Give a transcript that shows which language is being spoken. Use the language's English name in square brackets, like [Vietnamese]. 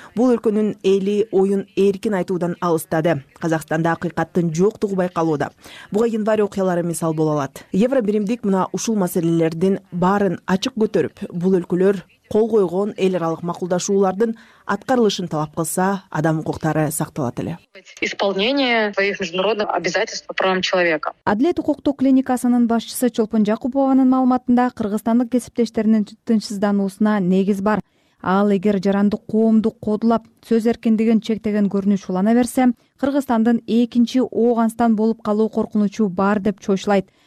[Kyrgyz] Бул өлкөнүн эли оюн эркин айтуудан алыс. Казакстанда акыйкаттын жоктугу байкалууда. Буга январь окуялары мисал боло алат. Евробиримдик мына ушул маселелердин баарын ачык көтөрүп, бул өлкөлөр кол койгон эл аралык макулдашуулардын аткарылышын талап кылса, адам укуктары сакталат эле. [Russian] Исполнение своих международных обязательств по правам человека. [Kyrgyz] Адилет укуктук клиникасынын башчысы Чолпон Жакупованын маалыматында Кыргызстандык кесиптештеринин тынчсыздануусуна негиз бар. Ал эгер жарандык коомду кодлоп, сөз эркиндигин чектеген көрүнүш улана берсе, Кыргызстандын экинчи Ооганстан болуп калуу коркунучу бар деп чочулайт.